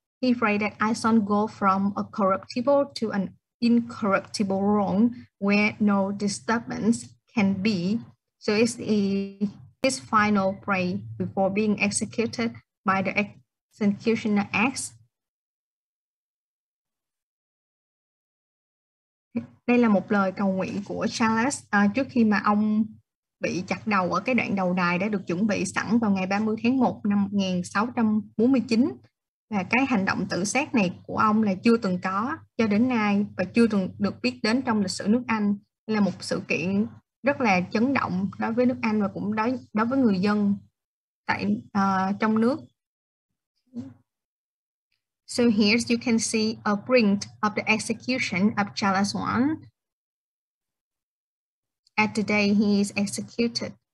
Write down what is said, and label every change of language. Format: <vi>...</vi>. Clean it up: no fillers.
<en>He prayed that I shall go from a corruptible to an incorruptible realm where no disturbance can be. So it's his final prayer before being executed by the executioner axe.</en> <vi>Đây là một lời cầu nguyện của Charles trước khi mà ông bị chặt đầu ở cái đoạn đầu đài đã được chuẩn bị sẵn vào ngày 30 tháng 1 năm 1649. Và cái hành động tự sát này của ông là chưa từng có cho đến nay và chưa từng được biết đến trong lịch sử nước Anh. Đây là một sự kiện rất là chấn động đối với nước Anh và cũng đối với người dân tại trong nước.</vi> <en>So here you can see a print of the execution of Charles I at the day he is executed.</en>